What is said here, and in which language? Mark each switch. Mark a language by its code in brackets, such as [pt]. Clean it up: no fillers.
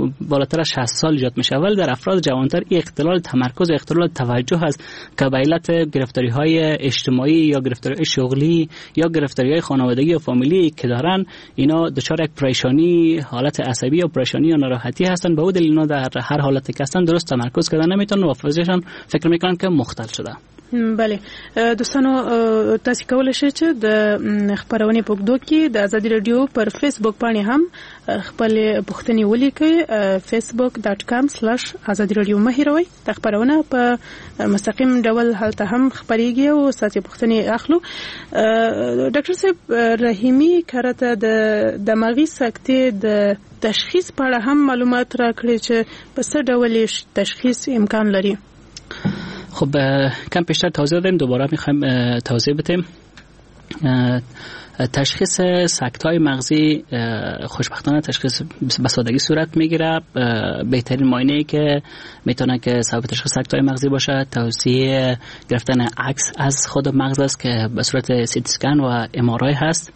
[fa] بالاتر 60 سال ایجاد میشه، ولی در افراد جوانتر این اختلال تمرکز و اختلال توجه هست که به علت گرفتاری های اجتماعی یا گرفتاری شغلی یا گرفتاری های خانوادگی و فامیلی که دارن اینا دچار یک پریشانی حالت عصبی یا پریشانی یا ناراحتی هستن، به دلیل اینا در هر حالتی که هستن درست تمرکز کردن نمیتونن و حافظشان فکر میکنن که مختل شده. [ps] بله دوستانو تاسو کولای شئ چې د خبرونې په دو کې د ازادي رادیو پر فیسبوک باندې هم خپل پوښتنې ولیکئ facebook.com/azadiradio. مه هیروي د خبرونه په مستقیم ډول هلته هم خبريږي او ساتي پوښتنې اخلو. ډاکټر صاحب رحیمی کارته د دماغي سکتې د تشخیص په اړه هم معلومات راکړي چې په څه ډول تشخیص امکان لري. [fa] خب کم پیشتر توضیح دادیم، دوباره میخوایم توضیح بدیم. تشخیص سکتای مغزی خوشبختانه تشخیص به سادگی صورت میگیره. بهترین معاینه‌ای که میتونه که سبب تشخیص سکتای مغزی باشه توصیه گرفتن عکس از خود مغز است که به صورت سیتی اسکن و ام‌آر‌آی هست.